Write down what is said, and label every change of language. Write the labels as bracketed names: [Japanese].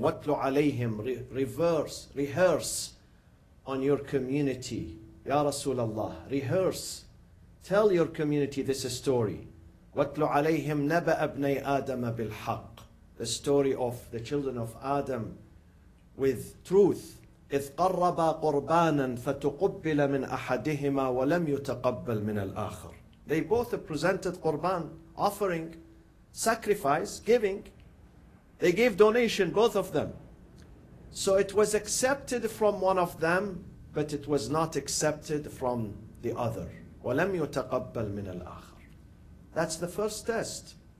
[Arabic] Watlu alayhim, [English] rehearse on your community, [Arabic] ya Rasulallah, [English] rehearse, tell your community this story. [Arabic] Watlu alayhim naba abnay adama bilhaq, [English] the story of the children of Adam with truth. [Arabic] إذ قربا قربانا فتقبل من أحدهما ولم يتقبل من الآخر. [English] They both presented قربان, offering, sacrifice, giving. They gave donation, both of them. So it was accepted from one of them, but it was not accepted from the other. [Arabic] ولم يتقبل من الآخر. [English] That's the first test.